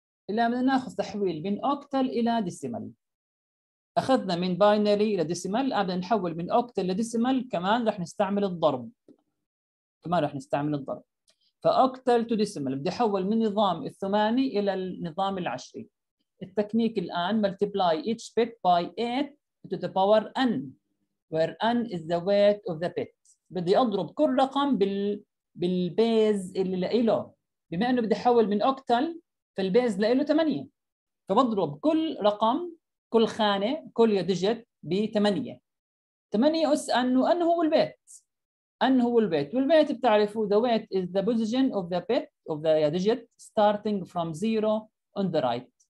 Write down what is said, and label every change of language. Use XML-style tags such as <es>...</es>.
<ar>الآن بدنا نأخذ تحويل من أوكتل إلى ديسيمال. أخذنا من باينري إلى ديسيمال، الآن بدنا نحول من أوكتل إلى ديسيمال، كمان رح نستعمل الضرب. كمان رح نستعمل الضرب. فأوكتل تو ديسيمال، بدي أحول من نظام الثماني إلى النظام العشري. التكنيك الآن</ar> <en>multiply each bit by 8 to the power n where n is the weight of the bit.</en> <ar>بدي أضرب كل رقم بالبيز اللي لقيله، بما أنه بدي أحول من أوكتل فالبيز لقيله 8، فبضرب كل رقم كل خانة كل ديجيت ب 8. 8 أس أنه N هو البيت، N هو البيت، والبيت بتعرفوا</ar> <en>the weight is the position of the bit of the digit starting from 0 on the right.</en>